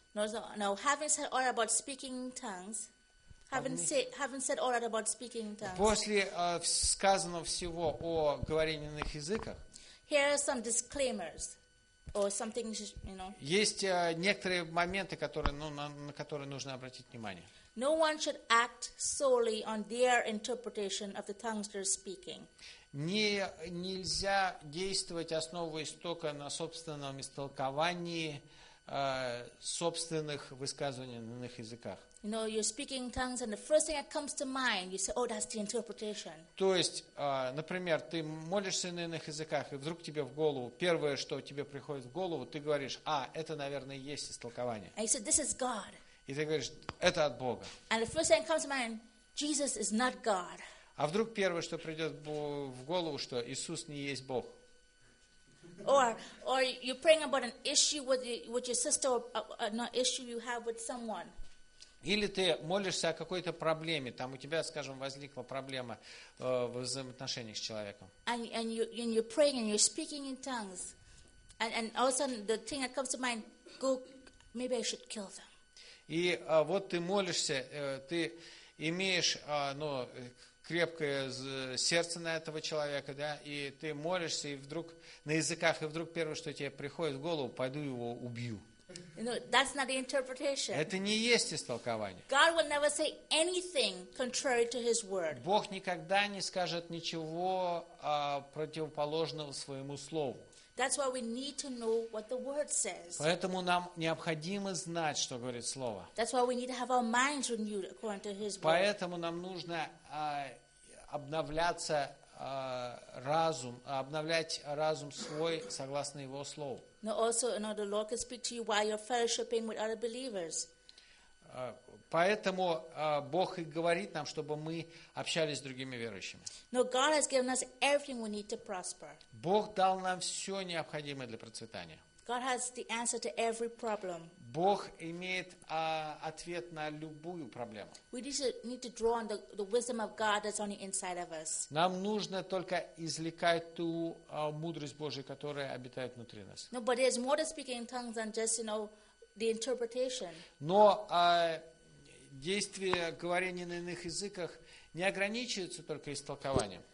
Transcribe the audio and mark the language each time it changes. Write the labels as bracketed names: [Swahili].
[English] No, having said all about speaking in tongues. Haven't said all that about speaking in tongues. [Russian] После сказанного всего о говорении на иных языках. [English] Here are some disclaimers, or something you know. [Russian] Есть некоторые моменты, на которые нужно обратить внимание. [English] No one should act solely on their interpretation of the tongues they're speaking. [Russian] Нельзя действовать, основываясь только на собственном истолковании собственных высказываний на иных языках. [English] You know, you're speaking in tongues, and the first thing that comes to mind, you say, "Oh, that's the interpretation." [Russian] То есть, например, ты молишься на иных языках, и вдруг тебе в голову первое, что тебе приходит в голову, ты говоришь: "А, это, наверное, есть истолкование." [English] And you say, "This is God." [Russian] И ты говоришь: "Это от Бога." [English] And the first thing that comes to mind, Jesus is not God. [Russian] А вдруг первое, что придет в голову, что Иисус не есть Бог. [English] Or you're praying about an issue with your sister, not issue you have with someone. [Russian] Или ты молишься о какой-то проблеме, там у тебя, скажем, возникла проблема в взаимоотношениях с человеком. [English] And you're praying and you're speaking in tongues. And all of a sudden the thing that comes to mind, go, maybe I should kill them. [Russian] И вот ты молишься, ты имеешь ну, крепкое сердце на этого человека, да, и ты молишься, и вдруг на языках, и вдруг первое, что тебе приходит в голову, пойду его убью. [English] No, that's not the interpretation. [Russian] Это не есть истолкование. [English] God will never say anything contrary to His word. [Russian] Бог никогда не скажет ничего противоположного своему слову. [English] That's why we need to know what the word says. [Russian] Поэтому нам необходимо знать, что говорит слово. [English] That's why we need to have our minds renewed according to His word. [Russian] Поэтому нам нужно обновляться разум, обновлять разум свой согласно Его слову. [English] No, also, you know, the Lord can speak to you while you're fellowshipping with other believers. [Russian] Поэтому Бог и говорит нам, чтобы мы общались с другими верующими. [English] No, God has given us everything we need to prosper. [Russian] Бог дал нам все необходимое для процветания. [English] God has the answer to every problem. [Russian] Бог имеет ответ на любую проблему. [English] We need to draw on the wisdom of God that's on the inside of us. [Russian] Нам нужно только извлекать ту мудрость Божию, которая обитает внутри нас. [English] No, but there's more to speaking in tongues than just, you know, the interpretation. [Russian] Но действие говорения на иных языках не ограничивается только истолкованием.